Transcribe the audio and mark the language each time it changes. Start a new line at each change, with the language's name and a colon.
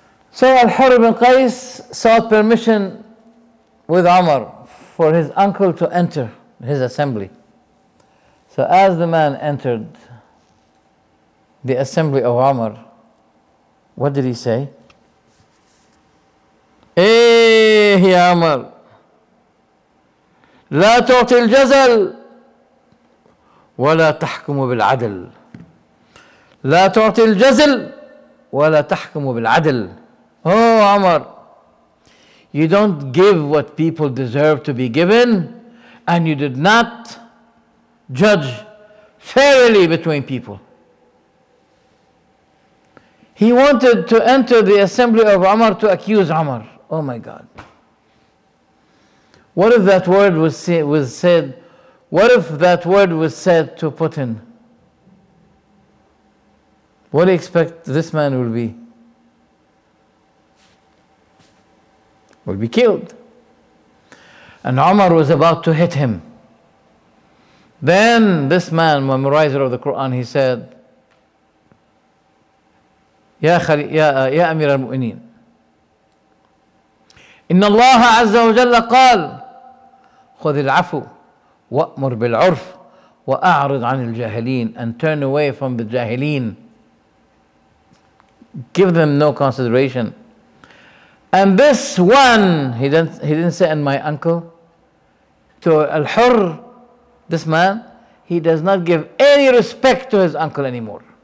English: So Al-Hurr ibn Qais sought permission with Umar for his uncle to enter his assembly. So as the man entered the assembly of Umar, what did he say?
Arabic: Eh, Ya Umar, لا تعطي الجزل ولا تحكم بالعدل. لا تعطي الجزل ولا تحكم بالعدل.
English: Oh, Umar, you don't give what people deserve to be given, and you did not judge fairly between people. He wanted to enter the assembly of Umar to accuse Umar. Oh my God. What if that word was said? What if that word was said to Putin? What do you expect this man will be? Will be killed. And Umar was about to hit him. Then this man, memorizer of the Quran, he said,
Arabic: يا أمير المؤمنين إن الله عز وجل قال خذ العفو وأمر بالعرف وأعرض عن الجاهلين.
English: And turn away from the jahileen. Give them no consideration. And this one, he didn't say, and my uncle, to Al-Hurr, this man, he does not give any respect to his uncle anymore.